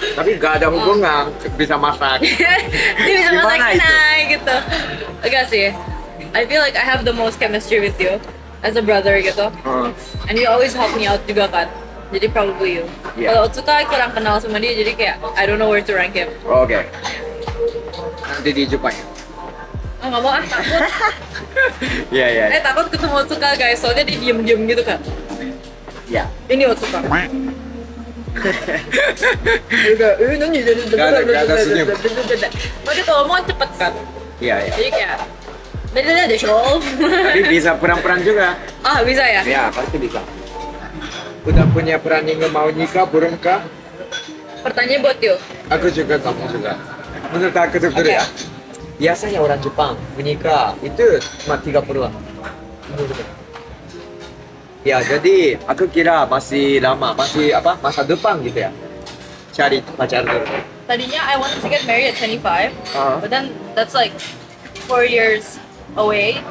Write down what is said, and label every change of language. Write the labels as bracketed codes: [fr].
[id] Tapi enggak ada hubungan, bisa masak. Dia bisa gimana masak kenai, gitu. Enggak sih. [en] I feel like I have the most chemistry with you. As a brother, gitu. And you always help me out [id] juga, kan. [en] Jadi probably you. Yeah. [id] Kalau Otsuka, aku kurang kenal sama dia, jadi kayak, [en] I don't know where to rank him. [id] Oke. Okay. Nanti di Jepang. Oh, gak mau, takut. Iya, iya. Eh, takut ketemu Otsuka, guys. Soalnya dia diem-diem gitu, kan. Iya. Yeah. Ini Otsuka. Dia kayak, nanti jadi... Gak ada senyum. Makanya kalau mau cepet, kan. Iya, iya. Jadi kayak... Beda-beda deh, show. Tapi bisa peran-peran juga. Ah, oh, bisa ya? Iya, pasti bisa. Udah punya peran yang mau nikah, burung kah? Pertanyaan buat you. Aku juga, kamu juga. Menurut aku tuh, okay. Ya. Biasanya orang Jepang menikah itu cuma 30-an. Ya, jadi aku kira masih lama, masih apa? Masa depan gitu ya. Cari pacar dulu. [en] Tadinya I wanted to get married at 25, but then that's like 4 years away.